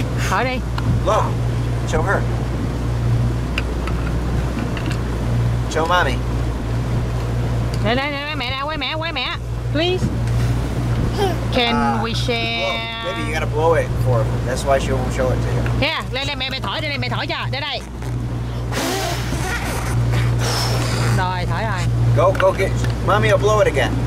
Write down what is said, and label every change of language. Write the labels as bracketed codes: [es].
[vi] Thổi đi. [en] Look. Show her. Show mommy. [vi] Nè nè nè mẹ nè. quay mẹ, quay mẹ. [en] Please. Can we share? Whoa. Baby, you gotta blow it for her. That's why she won't show it to you. [vi] Yeah, lên đây mẹ, mẹ thổi, đây này, mẹ thổi cho, đây đây. Rồi, thổi rồi. [en] Go, go get, mommy will blow it again.